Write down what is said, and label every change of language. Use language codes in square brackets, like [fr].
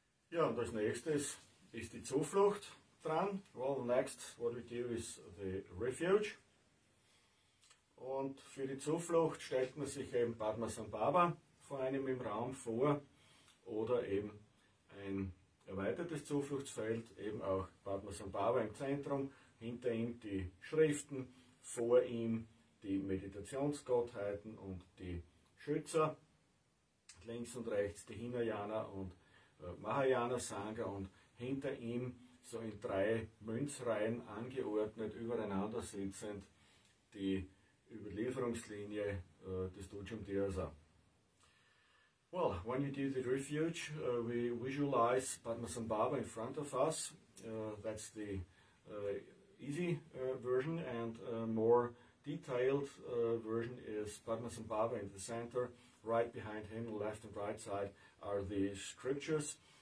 [de] Ja, und als nächstes ist die Zuflucht dran. [en] Well, next, what we do is the refuge. [de] Und für die Zuflucht stellt man sich eben Padmasambhava vor einem im Raum vor oder eben ein erweitertes Zufluchtsfeld, eben auch Padmasambhava im Zentrum, hinter ihm die Schriften, vor ihm die Meditationsgottheiten und die Schützer, links und rechts die Hinayana und Mahayana Sangha und hinter ihm so in drei Münzreihen angeordnet, übereinander sitzend, die Überlieferungslinie des Dujum Tirsa. [en] Well, when you do the refuge, we visualize Padmasambhava in front of us. That's the easy version, and more detailed version is Padmasambhava in the center. Right behind him, left and right side, are the scriptures.